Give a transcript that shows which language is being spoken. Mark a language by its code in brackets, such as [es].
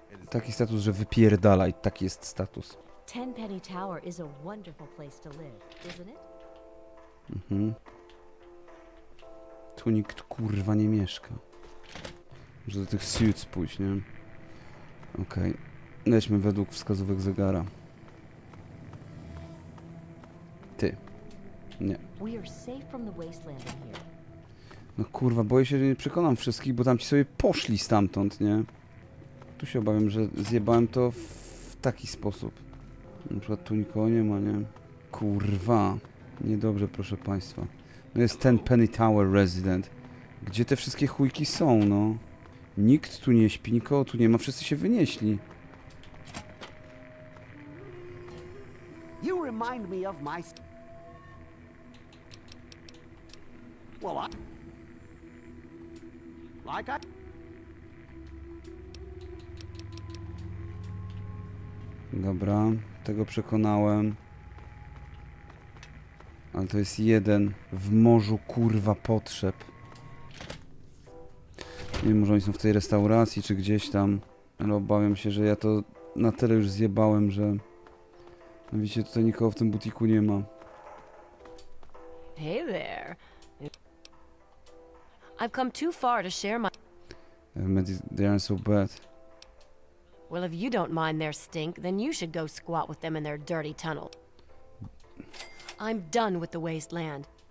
[pl] Taki status, że wypierdalaj, taki jest status. [en] Tenpenny Tower is a wonderful place to live, isn't it? Mhm. [pl] Tu nikt kurwa nie mieszka. Może do tych suits pójść, nie? Okej. Okay. Lećmy według wskazówek zegara. Ty. Nie. [en] We are safe from the wasteland here. [pl] No kurwa, boję się, że nie przekonam wszystkich, bo tamci sobie poszli stamtąd, nie? Tu się obawiam, że zjebałem to w taki sposób. Na przykład tu nikogo nie ma, nie? Kurwa. Niedobrze, proszę państwa. No jest ten Penny Tower Resident. Gdzie te wszystkie chujki są, no? Nikt tu nie śpi, nikogo tu nie ma, wszyscy się wynieśli. Dobra, tego przekonałem. Ale to jest jeden w morzu kurwa potrzeb. Nie wiem, może oni są w tej restauracji czy gdzieś tam. Ale obawiam się, że ja to na tyle już zjebałem, że. No widzicie, tutaj nikogo w tym butiku nie ma. [en] Hey there. I've come too far to share my. They aren't so bad. Well, if you don't mind their stink, then you should go squat with them in their dirty tunnel. I'm done with the wasteland.